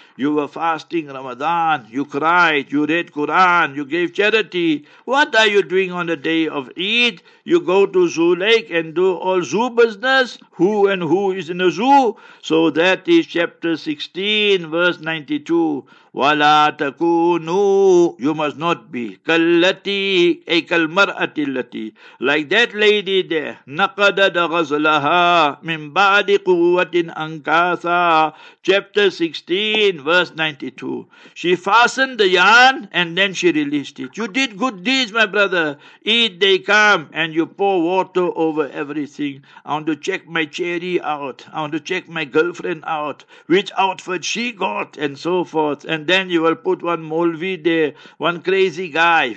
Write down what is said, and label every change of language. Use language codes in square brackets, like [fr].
[en] You were fasting Ramadan, you cried, you read Quran, you gave charity. What are you doing on the day of Eid? You go to Zoo Lake and do all zoo business? Who and who is in a zoo? So that is chapter 16, verse 92. [ar] وَلَا تَكُونُوا, [en] you must not be, [ar] كَالَّتِي أي كَالْمَرْأَةِ الَّتِي, [en] like that lady there, [ar] نَقَدَدْ غَزْلَهَا مِنْ بَعْدِ قُوَّةٍ أَنْكَاثَا. [en] Chapter 16, verse 92. She fastened the yarn and then she released it. You did good deeds, my brother. Eid day come and you pour water over everything. I want to check my cherry out. I want to check my girlfriend out. Which outfit she got and so forth. And then you will put one Molvi there, one crazy guy.